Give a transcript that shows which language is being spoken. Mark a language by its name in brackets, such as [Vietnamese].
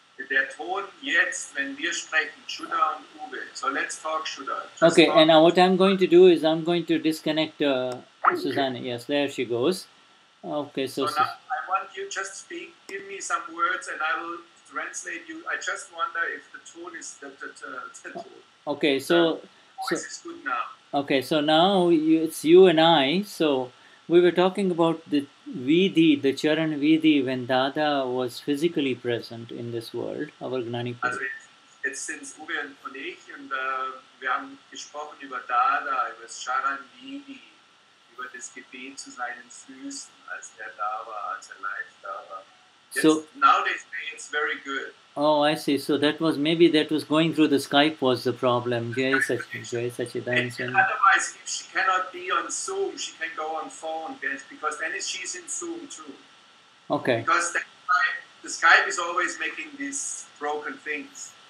[German] Der Ton jetzt, wenn wir sprechen, Shuddha und Uwe. [English] So let's talk, Shuddha. Okay, talk. And now what I'm going to do is I'm going to disconnect Suzanne. Okay. Yes, there she goes. Okay, so now I want you just speak, give me some words and I will translate you. I just wonder if the tone is the tone. Okay, voice is good now. Okay, so now it's you and I, so... We were talking about the vidhi, the charan vidhi, when Dada was physically present in this world, our Gnani Purush. [German] Also, jetzt sind Uwe und ich, und wir haben gesprochen über Dada, über das charan vidhi, über das Gebet zu seinen Füßen, als er da war, als er live da war. [English] So, nowadays, it's very good. Oh, I see. So that was going through the Skype was the problem. Otherwise, if she cannot be on Zoom, she can go on phone, because then she's in Zoom too. Okay. Because the Skype is always making these broken things.